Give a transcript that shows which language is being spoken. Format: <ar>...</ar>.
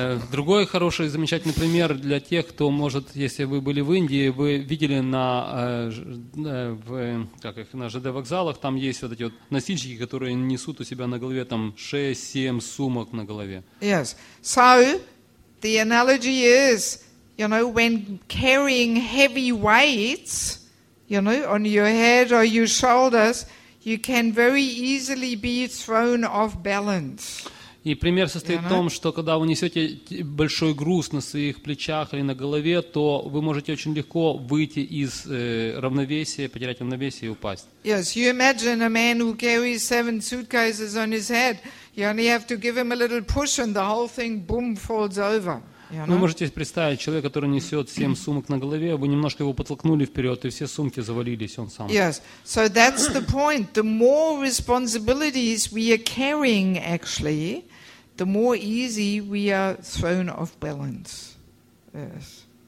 <ru>Другой хороший, замечательный пример для тех, кто, может, если вы были в Индии, вы видели на ЖД вокзалах, там есть вот эти вот носильщики, которые несут у себя на голове там 6-7 сумок на голове.</ru> <en>Yes. So, the analogy is, when carrying heavy weights, on your head or your shoulders, you can very easily be thrown off balance.</en> <ru>И пример состоит в том, что когда вы несете большой груз на своих плечах или на голове, то вы можете очень легко выйти из равновесия, потерять равновесие и упасть.</ru> <en>Yes, you imagine a man who carries 7 suitcases on his head. You only have to give him a little push and the whole thing, boom, falls over.</en> <ru>Вы можете представить, человек, который несет 7 сумок на голове, вы немножко его подтолкнули вперед, и все сумки завалились, он сам.</ru> <en>Yes, so that's the point. The more responsibilities we are carrying, actually, the more easy we are thrown off balance. Yes.</en>